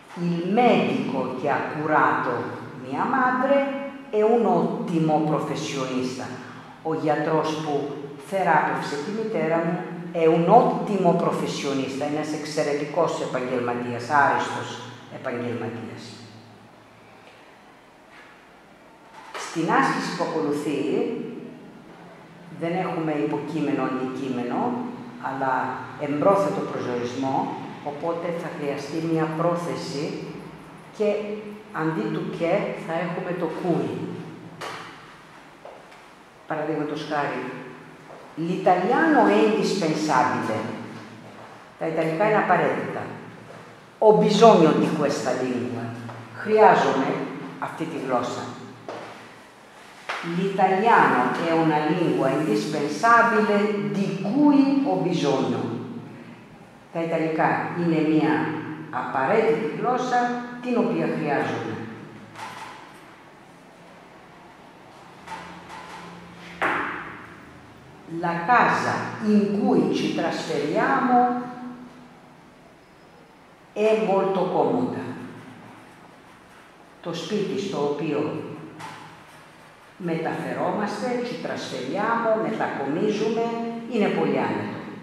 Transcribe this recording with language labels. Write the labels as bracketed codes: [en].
[it] Il medico che ha curato mia madre è un ottimo professionista. [el] Ο γιατρός που θεράπευσε τη μητέρα μου [it] è un ottimo professionista. [el] Είναι ένας εξαιρετικός επαγγελματίας, άριστος επαγγελματίας. Στην άσκηση που ακολουθεί, δεν έχουμε υποκείμενο ή κείμενο, αλλά εμπρόθετο προσδιορισμό, οπότε θα χρειαστεί μια πρόθεση και αντί του «και» θα έχουμε το «κουι». Παραδείγματος χάρη, [it] l'italiano è indispensabile. [el] Τα ιταλικά είναι απαραίτητα. [it] Ho bisogno di questa lingua. [el] Χρειάζομαι αυτή τη γλώσσα. [it] L'italiano è una lingua indispensabile di cui ho bisogno. [el] Τα Ιταλικά είναι μια απαραίτητη γλώσσα την οποία χρειάζομαι. [it] La casa in cui ci trasferiamo è molto comoda. [el] Το σπίτι στο οποίο μεταφερόμαστε, [it] ci trasferiamo, [el] μετακομίζουμε, είναι πολύ άνετο.